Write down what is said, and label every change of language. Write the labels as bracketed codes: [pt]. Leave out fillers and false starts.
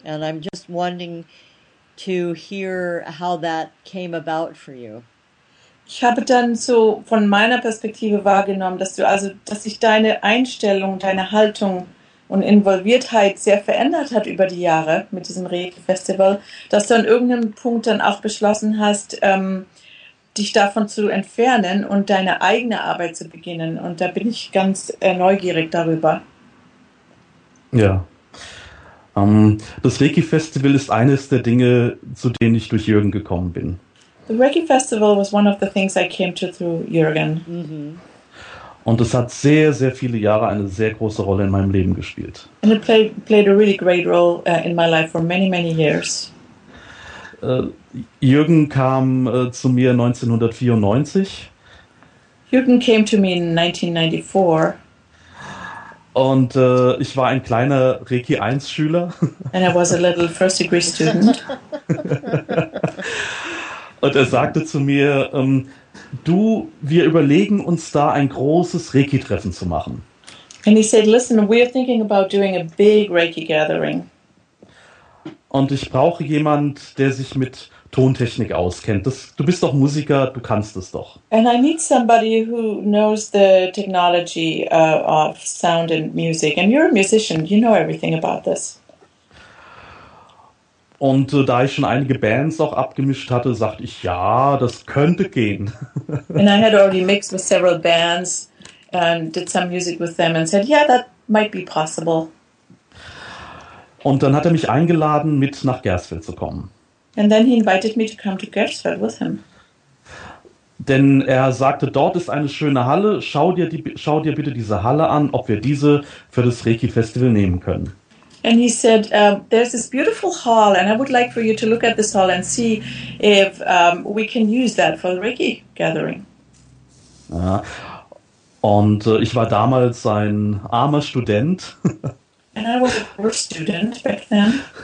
[en] And I'm just wanting to hear how that came about for you. [de] Ich habe dann so von meiner Perspektive wahrgenommen, dass sich deine Einstellung, deine Haltung und Involviertheit sehr verändert hat über die Jahre mit diesem Reiki-Festival, dass du an irgendeinem Punkt dann auch beschlossen hast, dich davon zu entfernen und deine eigene Arbeit zu beginnen. Und da bin ich ganz neugierig darüber. Ja, Das Reiki-Festival ist eines der Dinge, zu denen ich durch Jürgen gekommen bin. [en] The Reiki Festival was one of the things I came to through Jürgen. [de] Und es hat sehr, sehr viele Jahre eine sehr große Rolle in meinem Leben gespielt. [en] And it played a really great role in my life for many, many years. [de] Jürgen kam zu mir 1994. [en] Jürgen came to me in 1994. [de] Und ich war ein kleiner Reiki 1 Schüler. [en] And I was a little first degree student. [de] Und er sagte zu mir, wir überlegen uns da ein großes Reiki-Treffen zu machen. [en] And he said, listen, we are thinking about doing a big Reiki-Gathering. [de] Und ich brauche jemand, der sich mit Tontechnik auskennt. Du bist doch Musiker, du kannst es doch. [en] And I need somebody who knows the technology of sound and music. And you're a musician, you know everything about this. [de] Und da ich schon einige Bands auch abgemischt hatte, sagte ich, ja, das könnte gehen. [en] And I had already mixed with several bands and did some music with them and said, yeah, that might be possible. [de] Und dann hat mich eingeladen, mit nach Gersfeld zu kommen. [en] And then he invited me to come to Gersfeld with him. [de] Denn er sagte, dort ist eine schöne Halle, schau dir bitte diese Halle an, ob wir diese für das Reiki-Festival nehmen können. [en] And he said, there's this beautiful hall and I would like for you to look at this hall and see if we can use that for the Reiki gathering. [de] Ja. Und ich war damals ein armer Student. [en] And I was a poor student back then.